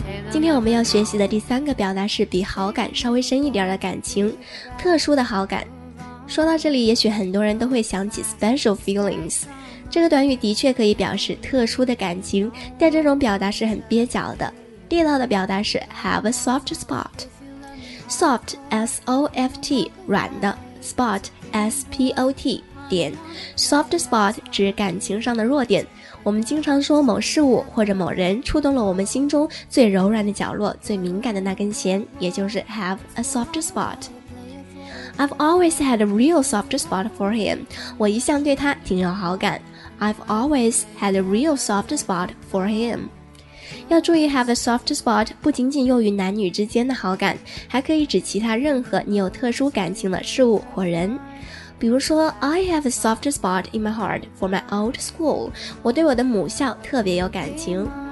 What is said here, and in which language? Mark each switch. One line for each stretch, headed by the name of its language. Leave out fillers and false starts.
Chinese: 今天我们要学习的第三个表达是比好感稍微深一点的感情，特殊的好感。说到这里，也许很多人都会想起 special feelings。这个短语的确可以表示特殊的感情，但这种表达是很蹩脚的。地道的表达是 have a soft spot。 soft, S-O-F-T, 软的 ,spot, S-P-O-T, 点。 soft spot 指感情上的弱点。我们经常说某事物或者某人触动了我们心中最柔软的角落，最敏感的那根弦，也就是 have a soft spot。
English: I've always had a real soft spot for him.
Chinese: 我一向对他挺有好感。
English: I've always had a real soft spot for him.
Chinese: 要注意 have a soft spot 不仅仅用于男女之间的好感，还可以指其他任何你有特殊感情的事物或人。比如说
English: I have a soft spot in my heart for my old school.
Chinese: 我对我的母校特别有感情。